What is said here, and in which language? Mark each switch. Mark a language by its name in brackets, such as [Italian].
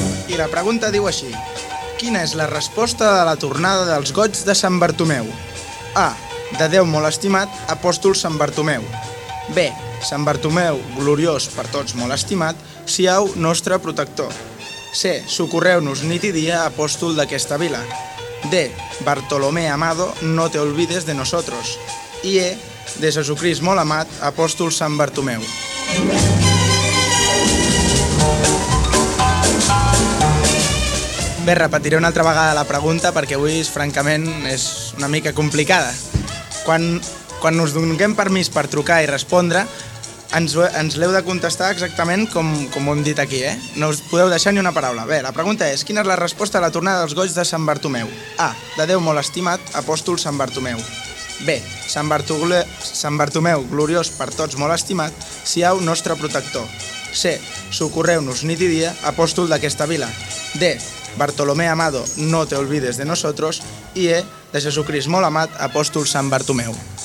[Catalan] I la pregunta diu així: quina és la resposta de la tornada dels goigs de Sant Bartomeu? A. De Déu molt estimat, apòstol Sant Bartomeu. B. Sant Bartomeu, gloriós per tots molt estimat, siau nostre protector. C. Socorreu-nos nit i dia, apòstol d'aquesta vila. D. [Spanish] Bartolomé amado, no te olvides de nosotros. [Catalan] I E. De Jesucrist molt amat, apòstol Sant Bartomeu. Bé, repetiré una altra vegada la pregunta perquè avui, francament, és una mica complicada. Quan us donem permís per trucar i respondre, ens l'heu de contestar exactament com ho hem dit aquí, eh? No us podeu deixar ni una paraula. Bé, la pregunta és: quina és la resposta a la tornada dels goigs de Sant Bartomeu? A. De Déu molt estimat, apòstol Sant Bartomeu. B. Sant Bartomeu, gloriós per tots molt estimat, siau nostre protector. C. Socorreu-nos nit i dia, apòstol d'aquesta vila. D. [Spanish] Bartolomé amado, no te olvides de nosotros. [Catalan] I E. De Jesucrist molt amat, apòstol Sant Bartomeu.